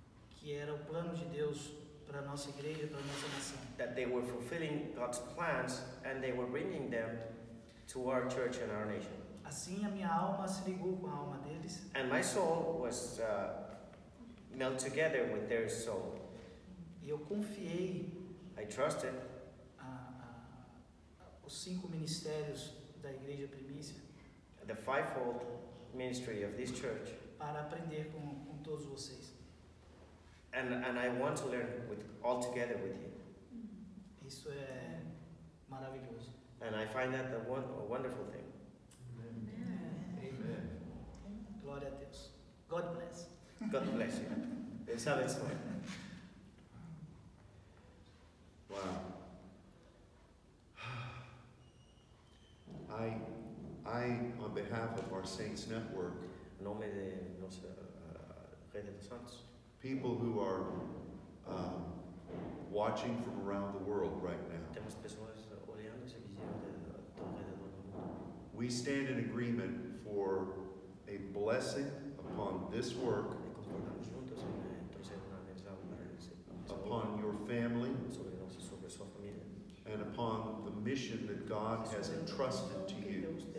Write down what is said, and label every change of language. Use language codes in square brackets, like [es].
[pt] Que era o plano de Deus para nossa igreja, para nossa nação. [en] That they were fulfilling God's plans and they were bringing them to our church and our nation. [pt] Assim a minha alma se ligou com a alma deles. [en] And my soul was melted together with their soul. [pt] E eu confiei. [en] I trusted. [pt] Os cinco ministérios da igreja primícia. [en] The fivefold ministry of this church. [pt] Para aprender com todos vocês. [en] And I want to learn with all together with you. [pt] Isso é maravilhoso. [en] And I find that a wonderful thing. Amen. [pt] Glória a Deus. [en] God bless. God bless you. [pt] Deus abençoe. [en] Wow. I on behalf of our Saints Network. [pt] Nome de nossa rede dos santos. [en] People who are watching from around the world right now. [pt] Temos pessoas olhando esse vídeo de todo o mundo. [en] We stand in agreement for a blessing upon this work. [pt] E concordamos juntos em trazer uma bênção para esse. [en] Upon your family. [pt] Sobre nossa, sobre sua família. [en] And upon the mission that God has entrusted to you.